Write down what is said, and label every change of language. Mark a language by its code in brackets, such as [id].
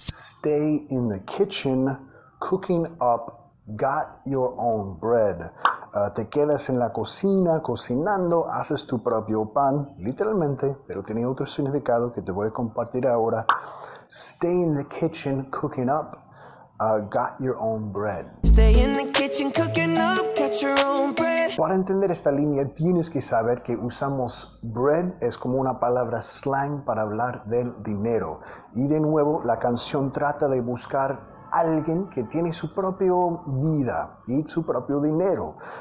[en] Stay in the kitchen, cooking up got your own bread. [es] Te quedas en la cocina, cocinando, haces tu propio pan, literalmente, pero tiene otro significado que te voy a compartir ahora. [en] Stay in the kitchen, cooking up got your own bread. Stay in the kitchen, cooking up got your own bread. [es] Para entender esta línea, tienes que saber que usamos bread es como una palabra slang para hablar del dinero. Y de nuevo, la canción trata de buscar alguien que tiene su propia vida y su propio dinero.